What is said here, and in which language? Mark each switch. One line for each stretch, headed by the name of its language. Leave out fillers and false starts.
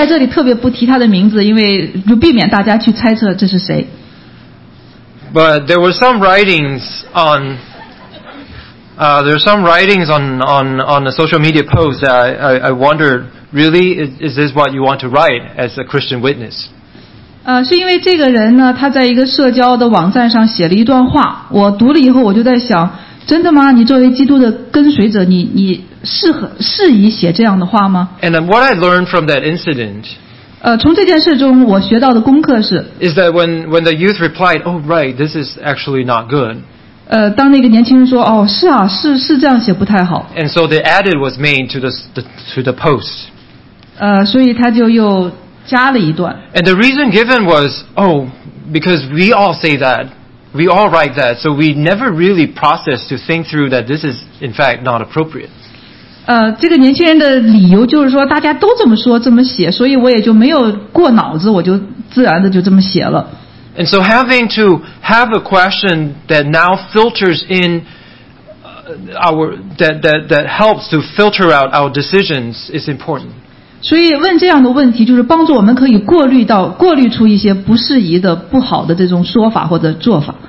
Chinese: 我在这里特别不提他的名字, 因为就避免大家去猜测这是谁。
English: But there were some writings on on the social media post that I wondered, really, is this what you want to write as a Christian witness?
Chinese: 是因为这个人呢, 他在一个社交的网站上写了一段话, 我读了以后我就在想, 真的吗? 你作为基督的跟随者, 你适宜写这样的话吗?
English: And what I learned from that incident,
Chinese: 从这件事中我学到的功课是,
English: is that when the youth replied, oh right, this is actually not good,
Chinese: 当那个年轻人说, 哦, 是啊, 是这样写不太好。
English: And so the edit was made to the post.
Chinese: 所以他就又加了一段。
English: And the reason given was, oh, because we all say that, we all write that, so we never really process to think through that this is in fact not appropriate.
Chinese: 这个年轻人的理由就是说, 大家都这么说, 这么写, 所以我也就没有过脑子, 我就自然的就这么写了。
English: And so having to have a question that now filters in our that helps to filter out our decisions is important.
Chinese: 所以问这样的问题就是帮助我们可以过滤出一些不适宜的不好的这种说法或者做法。